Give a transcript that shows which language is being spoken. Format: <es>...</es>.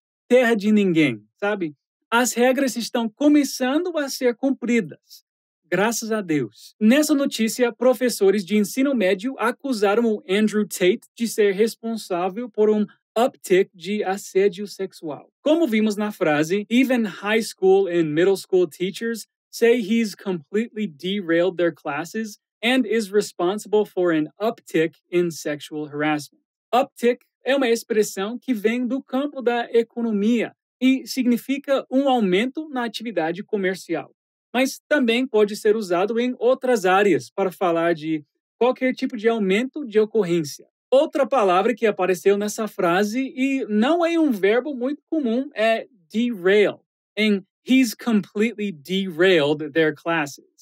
<pt>Terra de ninguém, sabe? As regras estão começando a ser cumpridas. Graças a Deus. Nessa notícia, professores de ensino médio acusaram o Andrew Tate de ser responsável por um uptick de assédio sexual. Como vimos na frase,</pt> <en>even high school and middle school teachers say he's completely derailed their classes and is responsible for an uptick in sexual harassment.</en> <pt>Uptick é uma expressão que vem do campo da economia e significa um aumento na atividade comercial. Mas também pode ser usado em outras áreas para falar de qualquer tipo de aumento de ocorrência. Outra palavra que apareceu nessa frase e não é um verbo muito comum é derail, em</pt> <en>he's completely derailed their classes.</en>